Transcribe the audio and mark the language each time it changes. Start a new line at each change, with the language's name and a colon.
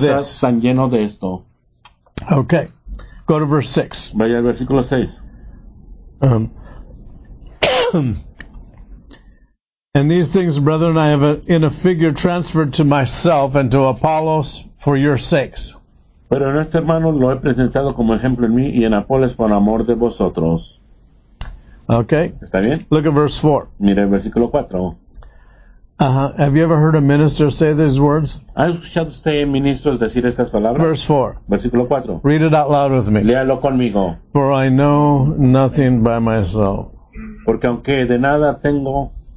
Spanish: Está tan lleno de esto.
English: Okay. Go to verse 6.
Spanish: Vaya al versículo 6.
English: And these things, brethren, I have in a figure transferred to myself and to Apollos for your sakes.
Spanish: Pero en este hermano lo he presentado como ejemplo en mí y en Apolos por amor de vosotros.
English: Okay.
Spanish: ¿Está bien?
English: Look at verse 4.
Spanish: Mira el versículo 4.
English: Have you ever heard a minister say these words?
Spanish: ¿Has escuchado usted ministros decir estas palabras?
English: Verse 4.
Spanish: Versículo 4.
English: Read it out loud with me.
Spanish: Léalo conmigo.
English: For I know nothing by myself.
Spanish: Porque aunque de nada tengo...